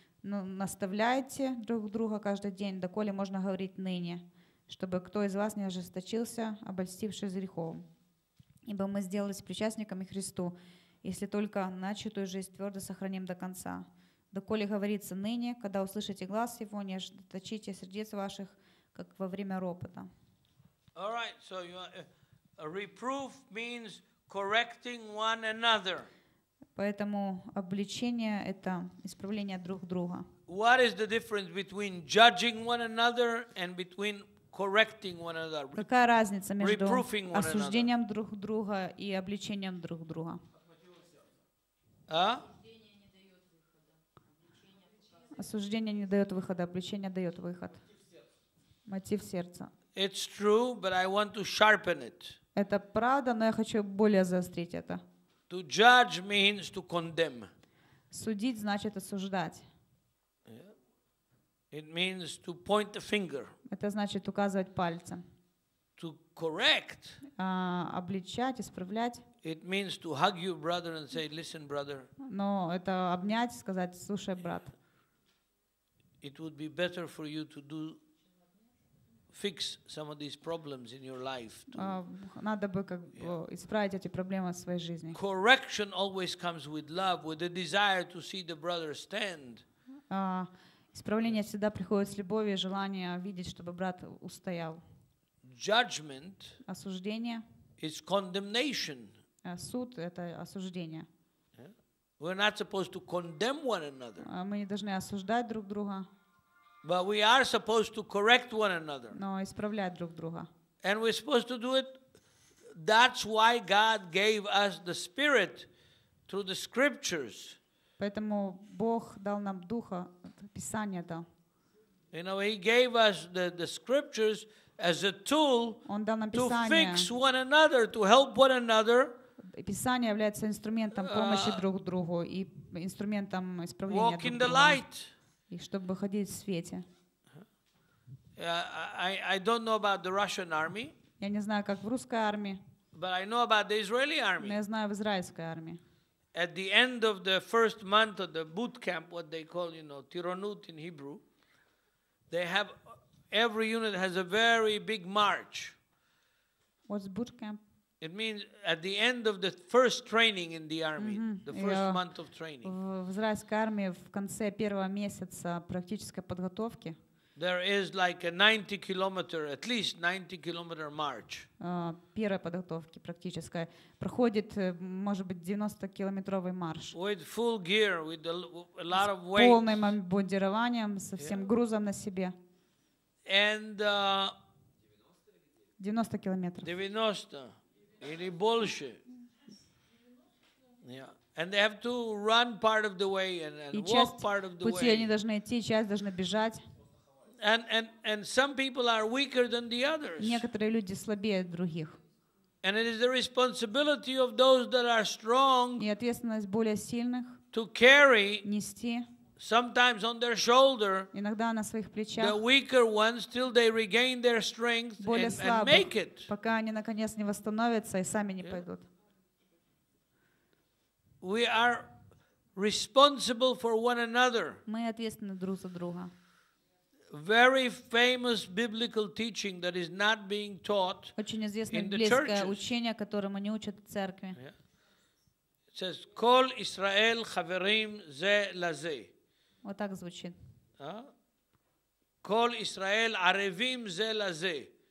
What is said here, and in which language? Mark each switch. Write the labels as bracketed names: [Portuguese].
[Russian] Но наставляйте друг друга каждый день, доколе можно говорить ныне, чтобы кто из вас не ожесточился, обольстившись грехом. Ибо мы сделались причастниками Христу, если только начатую жизнь твердо сохраним до конца. Доколе говорится ныне, когда услышите глаз его, не ожесточите сердец ваших, как во время ропота. [English] All right, so you are, reproof means correcting one another. [Russian] Поэтому обличение — это исправление друг друга. [English] What is the difference between judging one another and between correcting one another? [Russian] Какая разница между осуждением друг друга и обличением друг друга? Осуждение не дает выхода, обличение дает выход. Мотив сердца. [English] It's true, but I want to sharpen it. [Russian] Это правда, но я хочу более заострить это. [English] To judge means to condemn. [Russian] Судить значит осуждать. [English] Yeah. It means to point the finger. [Russian] Это значит указывать пальцем. [English] To correct. [Russian] Обличать, исправлять. [English] It means to hug your brother and say, "Listen, brother." [Russian] Но это обнять, сказать, слушай, брат. [English] It would be better for you to do fix some of these problems in your life. [Russian] Надо бы как бы исправить эти проблемы в своей жизни. [English] Correction always comes with love, with the desire to see the brother stand. [Russian] Исправление всегда приходит с любовью, желание видеть, чтобы брат устоял. [English] Judgment. [Russian] Осуждение. [English] Is condemnation. [Russian] Суд — это осуждение. [English] Yeah. We're not supposed to condemn one another. [Russian] Мы не должны осуждать друг друга. [English] But we are supposed to correct one another. [Russian] Но исправлять друг друга. [English] And we're supposed to do it. That's why God gave us the Spirit through the Scriptures. [Russian] Поэтому Бог дал нам Духа, Писание дал. [English] You know, He gave us the Scriptures as a tool to fix one another, to help one another. [Russian] Писание является инструментом помощи друг другу и инструментом исправления друг друга. И чтобы ходить в свете. [English] I don't know about the Russian army. [Russian] Я не знаю, как в русской армии. [English] But I know about the Israeli army. [Russian] Но я знаю в израильской армии. [English] at the end of the first month of the boot camp, what they call, you know, Tironut in Hebrew, they have, every unit has a very big march. What's boot camp? It means at the end of the first training in the army, the first month of training. [Russian] В израильской армии в конце первого месяца практической подготовки. [English] There is like a 90 kilometer, at least 90 kilometer march. [Russian] Первой подготовки практической проходит, может быть, 90-километровый марш. [English] With full gear, with a lot of weight. [Russian] С полным обмундированием, со всем грузом на себе. [English] And [Russian] 90 километров. 90. Или больше. [English] Yeah. And they have to run part of the way and walk part of the [Russian] пути [English] way. [Russian] Пути они должны идти, часть должны бежать. [English] And some people are weaker than the others. [Russian] Некоторые люди слабее других. [English] And it is the responsibility of those that are strong. [Russian] И ответственность более сильных. [English] To carry. [Russian] Нести. [English] Sometimes on their shoulder. [Russian] Иногда на своих плечах. [English] The weaker ones till they regain their strength and make it. [Russian] Пока они наконец не восстановятся и сами не пойдут. [English] We are responsible for one another. [Russian] Мы ответственны друг за друга. [English] Very famous biblical teaching that is not being taught in the churches. [Russian] Очень известное библейское учение, которому не учат в церкви. [English] It says, [Hebrew] "Kol Israel chaverim ze laze." [Russian] Вот так звучит. [Hebrew] Кол Исраэль аревим зе лазе.